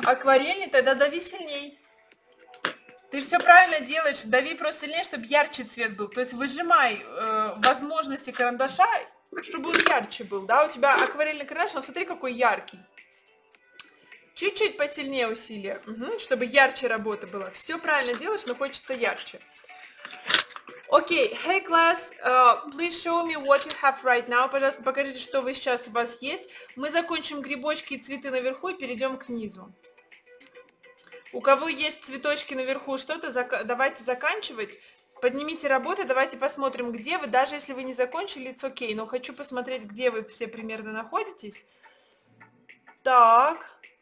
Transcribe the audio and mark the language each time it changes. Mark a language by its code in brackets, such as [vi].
[ru] Акварельный, тогда дави сильней. Ты все правильно делаешь, дави просто сильнее, чтобы ярче цвет был. То есть выжимай возможности карандаша, чтобы он ярче был. Да, у тебя акварельный карандаш, но смотри, какой яркий. Чуть-чуть посильнее усилия, чтобы ярче работа была. Все правильно делаешь, но хочется ярче. [en] Окей, hey class, please show me what you have right now. [ru] Пожалуйста, покажите, что вы сейчас у вас есть. Мы закончим грибочки и цветы наверху и перейдем к низу. У кого есть цветочки наверху, что-то, давайте заканчивать. Поднимите работы, давайте посмотрим, где вы. Даже если вы не закончили, [en] it's okay. [ru] Но хочу посмотреть, где вы все примерно находитесь. Так.